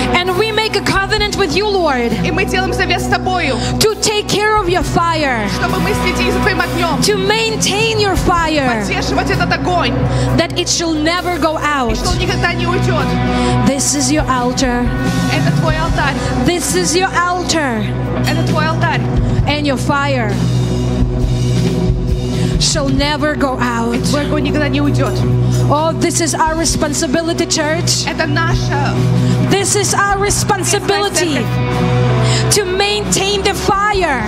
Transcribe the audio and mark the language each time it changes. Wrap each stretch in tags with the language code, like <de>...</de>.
<en>And we make a covenant with you, Lord.</en> <ru>И мы делаем завет с тобою.</ru> <en>To take care of your fire.</en> <ru>Чтобы мы следили за твоим огнем.</ru> <en>To maintain your fire.</en> <ru>Поддерживать этот огонь.</ru> <en>That it shall never go out.</en> <ru>И что он никогда не уйдет.</ru> <en>This is your altar.</en> <ru>Это твой алтарь.</ru> <en>This is your altar.</en> <ru>Это твой алтарь.</ru> <en>And your fire shall never go out.</en> <ru>Твой огонь никогда не уйдет.</ru> <en>Oh, this is our responsibility, church.</en> <ru>Это наша.</ru> <en>This is our responsibility to maintain the fire.</en>